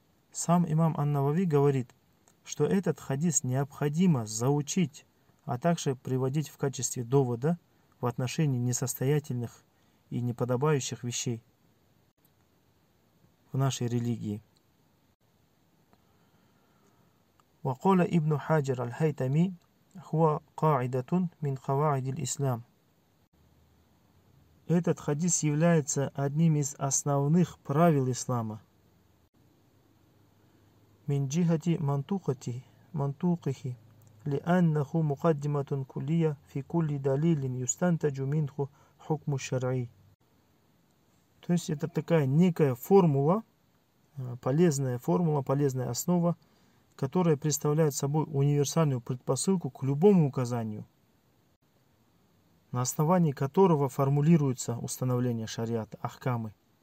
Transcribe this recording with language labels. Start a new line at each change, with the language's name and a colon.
Russian: Сам имам ан-Навави говорит, что этот хадис необходимо заучить, а также приводить в качестве довода в отношении несостоятельных и неподобающих вещей в нашей религии.
Arabic: وقال ابن حجر الهيتمي هو قاعدة من قواعد الإسلام.
Russian: Этот хадис является одним из основных правил ислама.
Arabic: من جهة منطوقه لأنه مقدمة كلية في كل دليل يستنتج منه حكم الشرعي.
Russian: То есть это такая некая формула, полезная формула, полезная основа, которая представляет собой универсальную предпосылку к любому указанию, на основании которого формулируется установление шариата, ахкамы.